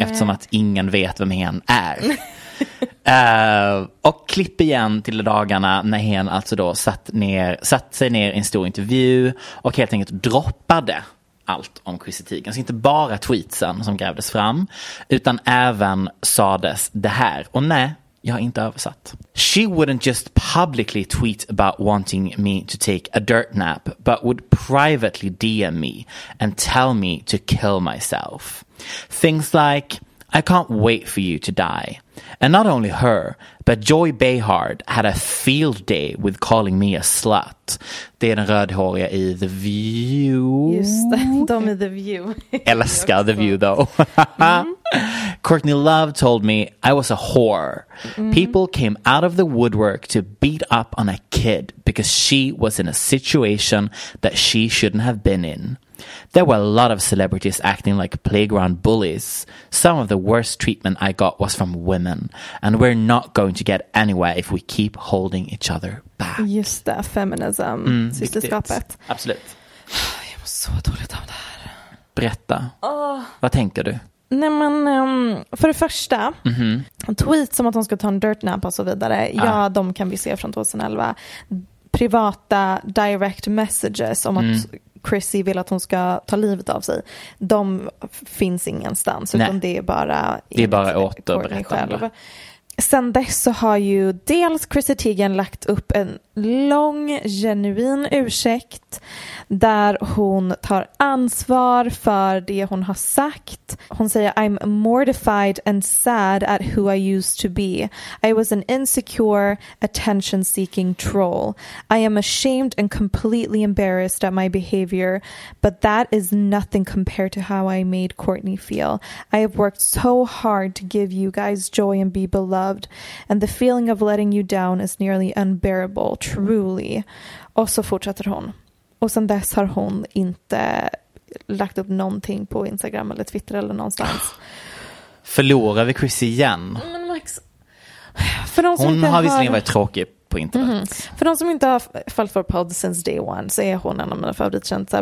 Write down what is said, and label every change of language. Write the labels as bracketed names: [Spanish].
[Swedish] Eftersom att ingen vet vem hen är. Och klipp igen till dagarna när hen alltså då satt sig ner i en stor intervju. Och helt enkelt droppade allt om Chrissy Teigen. Så inte bara tweetsen som grävdes fram. Utan även sades det här. Och nej. Jag har inte översatt. [English] She wouldn't just publicly tweet about wanting me to take a dirt nap, but would privately DM me and tell me to kill myself. Things like, I can't wait for you to die. And not only her, but Joy Behar had a field day with calling me a slut. [Swedish] Det är den rödhåriga i The View. Just det, de är The View. Älskar The View [English] though. Mm. Courtney Love told me I was a whore. Mm. People came out of the woodwork to beat up on a kid because she was in a situation that she shouldn't have been in. There were a lot of celebrities acting like playground bullies. Some of the worst treatment I got was from women. And we're not going to get anywhere if we keep holding each other back. [Swedish] Just det, feminism. Mm, systerskapet. Absolut. Jag mår så dåligt av det här. Berätta. Oh. Vad tänker du? Nej, men för det första, mm-hmm. tweet som att hon ska ta en [English] dirt nap [Swedish] och så vidare. Ah. Ja, de kan vi se från 2011. Privata direct messages om att Chrissy vill att hon ska ta livet av sig. De finns ingenstans. Nej. Utan det är bara... Det är bara återberättande. Sen dess så har ju dels Chrissy Teigen lagt upp en lång, genuin ursäkt där hon tar ansvar för det hon har sagt. Hon säger, [English] I'm mortified and sad at who I used to be. I was an insecure, attention-seeking troll. I am ashamed and completely embarrassed at my behavior, but that is nothing compared to how I made Courtney feel. I have worked so hard to give you guys joy and be beloved, and the feeling of letting you down is nearly unbearable, truly. [Swedish] Och så fortsätter hon. Och sen dess har hon inte lagt upp någonting på Instagram eller Twitter eller någonstans. Förlorar vi Chrissy igen? Men Max, för någon som hon inte har visserligen varit tråkig på internet. Mm-hmm. För någon som inte har fallit för podd [English] since day one [Swedish] så är hon en av mina favoritkänslor.